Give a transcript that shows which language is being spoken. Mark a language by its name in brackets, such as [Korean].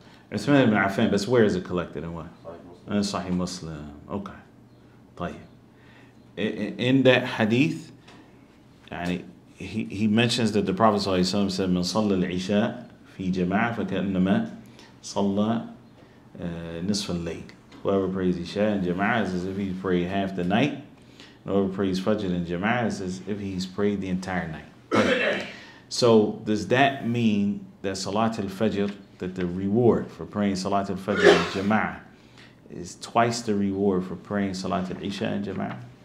[English] Uthman ibn Affan, but where is it collected and what? Sahih Muslim. Okay. Tayyip. In that hadith, [Arabic] يعني, [English] he mentions that the Prophet [Arabic] صلى الله عليه وسلم [English] said, [Arabic] من صلى العشاء في جماعة فكأنما صلى نصف الليل. [English] Whoever prays Isha in Jama'ah is as if he prayed half the night. And whoever prays Fajr in Jama'ah is as if he's prayed the entire night. So does that mean that Salat al-Fajr, that the reward for praying Salat al-Fajr in Jama'ah is twice the reward for praying Salat al-Isha in Jama'ah?